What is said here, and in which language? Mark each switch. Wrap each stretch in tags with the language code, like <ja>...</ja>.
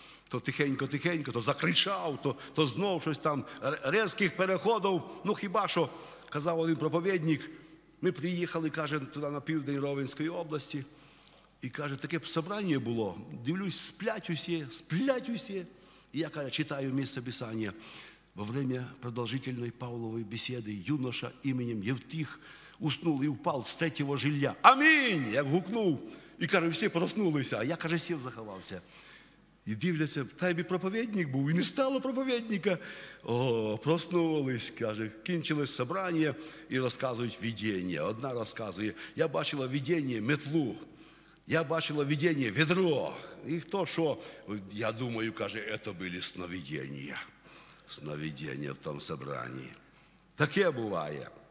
<uk>То тихенько-тихенько, то закричав, то знов щось там, різких переходів. Ну, хіба що, казав один проповідник, ми приїхали, каже, туди на південь Ровенської області, і каже, таке б собрання було, дивлюсь, сплять усі. І я, каже, читаю місце писання.</uk> <ru>Во время продолжительной Павловой беседы юноша именем Евтих уснул и упал с третьего жилья. Аминь! Я гукнул.</ru> <uk>И, каже, все проснулися. А я, каже, сів заховався. И дивляться, та би проповедник був. И не стало проповедника. О, проснулись, каже. Кінчилось собрание и рассказують видение. Одна рассказує, я бачила видение метлу. Я бачила видение ведро. И кто что?</uk> <ru>Я думаю, каже, это были сновидения.</ru> <uk>Сновидення в тому собранні. Таке буває.</uk>